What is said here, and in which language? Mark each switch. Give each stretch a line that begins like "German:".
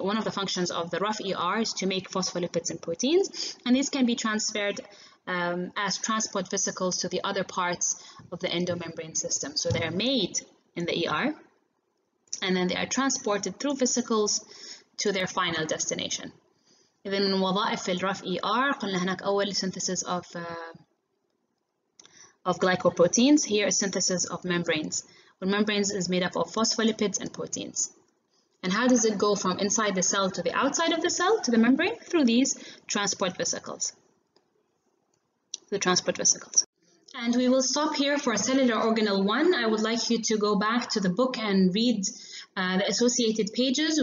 English: One of the functions of the rough ER is to make phospholipids and proteins, and these can be transferred as transport vesicles to the other parts of the endomembrane system. So they are made in the ER, and then they are transported through vesicles to their final destination.
Arabic: إذن من وظائف الرف ER قلنا هناك أول
English: synthesis of glycoproteins. Here is synthesis of membranes. Well, membranes is made up of phospholipids and proteins. And how does it go from inside the cell to the outside of the cell to the membrane? Through these transport vesicles. The transport vesicles. And we will stop here for cellular organelle 1. I would like you to go back to the book and read the associated pages.